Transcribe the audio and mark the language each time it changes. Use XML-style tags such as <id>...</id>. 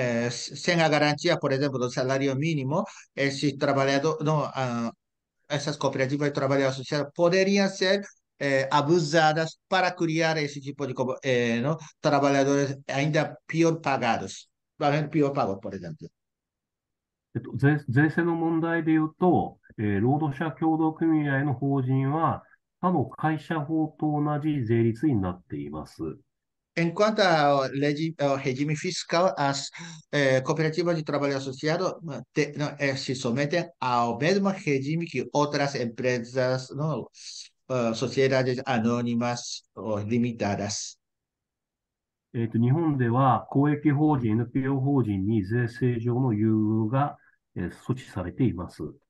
<pt>sem a garantia, por exemplo, do salário mínimo, esse trabalhador, não, essas cooperativas de trabalho associado poderiam ser abusadas para criar esse tipo de não, trabalhadores ainda pior pagados, pior pago, por exemplo.</pt> <ja>税制の問題で言うと、労働者協同組合の法人は他の会社法と同じ税率になっています。</ja> <pt>Enquanto ao regime fiscal, as cooperativas de trabalho associado se submetem ao mesmo regime que outras empresas, não, sociedades anônimas ou limitadas.</pt> <ja>日本では公益法人、NPO 法人に税制上の優遇が措置されています。</ja>